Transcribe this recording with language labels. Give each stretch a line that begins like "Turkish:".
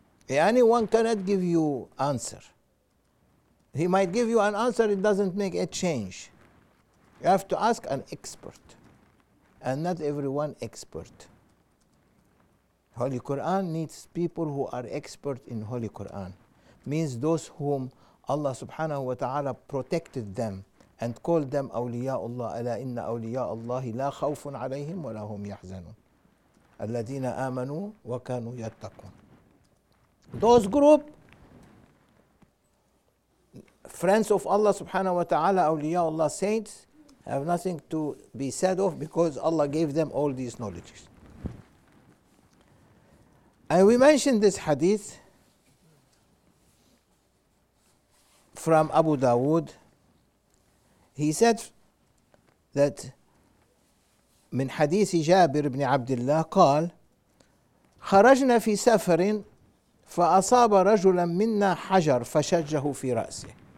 English: Anyone cannot give you answer. He might give you an answer, it doesn't make a change. You have to ask an expert. And not everyone expert. Holy Quran needs people who are expert in Holy Quran. Means those whom Allah subhanahu wa ta'ala protected them and call them
Arabic: أولياء الله ألا إن أولياء الله لا خوف عليهم ولا هم يحزنون الذين آمنوا وكانوا يتقون.
English: Those group friends of Allah subhanahu wa ta'ala, awliya Allah, saints, have nothing to be said of because Allah gave them all these knowledges. And we mentioned this hadith from Abu Dawood. He said that
Arabic: من حديث جابر بن عبد الله قال خرجنا في سفر فأصاب رجلا منا حجر فشجه في رأسه.